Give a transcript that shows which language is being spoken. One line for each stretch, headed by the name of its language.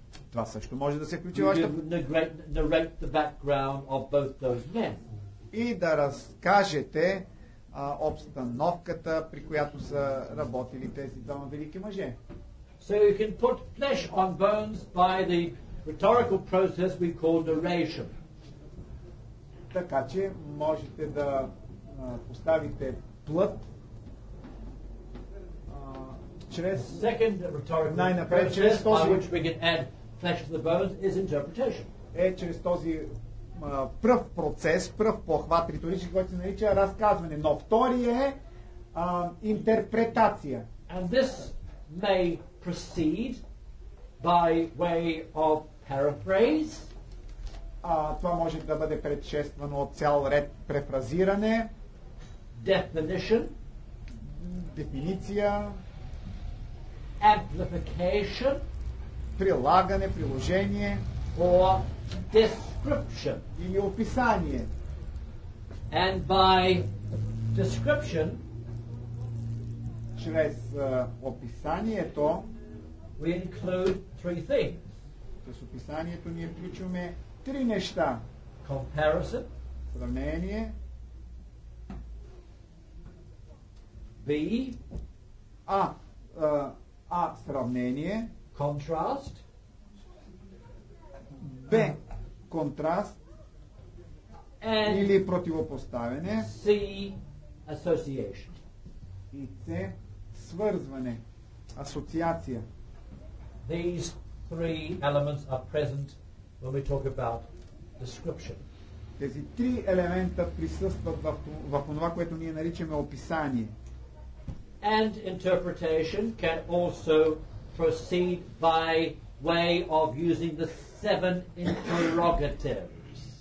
Bulgarian: Това също може да се включи вашата. И да разкажете обстановката, при която са работили тези двама велики мъже.
English: So you can put flesh on bones by the rhetorical process we call narration.
Bulgarian: Така че можете да поставите плът чрез
English: second rhetorical
Bulgarian: най-напред чрез този,
English: by which we can add flesh to the bones is interpretation.
Bulgarian: Е чрез този пръв процес, пръв похват риторичен, който се нарича разказване, но втори е интерпретация.
English: And this may proceed by way of paraphrase.
Bulgarian: Това може да бъде предшествано от цял ред префразиране.
English: Definition.
Bulgarian: Дефиниция.
English: Amplification.
Bulgarian: Прилагане, приложение.
English: Or description.
Bulgarian: Или описание.
English: And by description,
Bulgarian: чрез описанието,
English: we include three things.
Bulgarian: През описанието ние включваме три неща.
English: Comparison.
Bulgarian: Сравнение.
English: B.
Bulgarian: A. А сравнение.
English: Contrast.
Bulgarian: Б. Контраст.
English: And
Bulgarian: или противопоставяне.
English: C. Association.
Bulgarian: И C. Свързване. Асоциация.
English: These three elements are present when we talk about description.
Bulgarian: Тези три елемента присъстват в това, което ние наричаме описание.
English: And interpretation can also proceed by way of using the seven interrogatives.